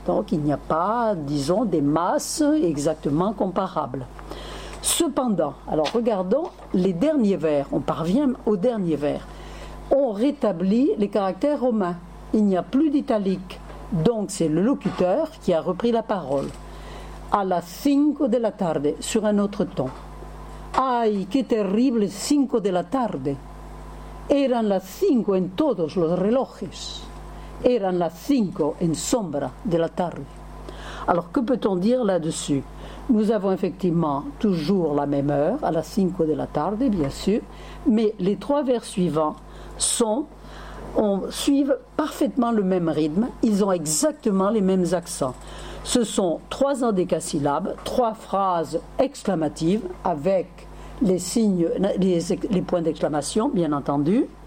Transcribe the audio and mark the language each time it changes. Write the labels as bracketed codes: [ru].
[fr] Donc il n'y a pas, disons, des masses exactement comparables. Cependant, alors regardons les derniers vers, on parvient au dernier vers. On rétablit les caractères romains. Il n'y a plus d'italique, donc c'est le locuteur qui a repris la parole. [es] À la cinco de la tarde, [fr] sur un autre ton. [es] Ay, qué terrible cinco de la tarde. Eran las cinco en todos los relojes. Eran las cinco en sombra de la tarde. [fr] Alors, que peut-on dire là-dessus? Nous avons effectivement toujours la même heure, à [es] la cinco de la tarde, [fr] bien sûr, mais les trois vers suivants sont suivent parfaitement le même rythme, ils ont exactement les mêmes accents. Ce sont trois endécasyllabes, trois phrases exclamatives avec les signes, les points d'exclamation, bien entendu.